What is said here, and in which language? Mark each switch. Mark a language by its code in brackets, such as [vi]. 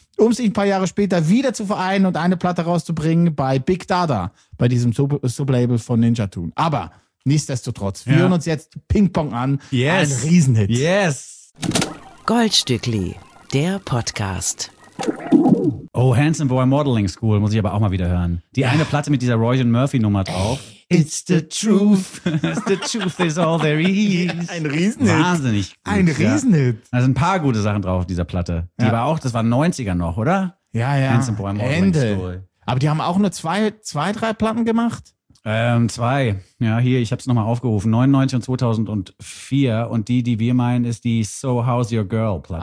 [de] um sich ein paar Jahre später wieder zu vereinen und eine Platte rauszubringen bei Big Dada, bei diesem Sublabel von Ninja Tune. Aber nichtsdestotrotz, wir hören uns jetzt Ping-Pong an. [en] Yes. [de] Ein Riesenhit. [en] Yes. [de] Goldstückli, der Podcast. Oh, Handsome Boy Modeling School, muss ich aber auch mal wieder hören. Die eine Platte mit dieser Roisin Murphy-Nummer drauf. [en] It's the truth. It's the truth is all there is. [de] Ein Riesenhit. Wahnsinnig gut. Ein Riesenhit. Da sind ein paar gute Sachen drauf auf dieser Platte. Die war auch, das war 90er noch, oder? Ja, ja. Handsome Boy Modeling School. Aber die haben auch nur zwei, drei Platten gemacht? Zwei. Ja, hier, ich hab's nochmal aufgerufen. 99 und 2004. Und die, die wir meinen, ist die So How's Your Girl Platte.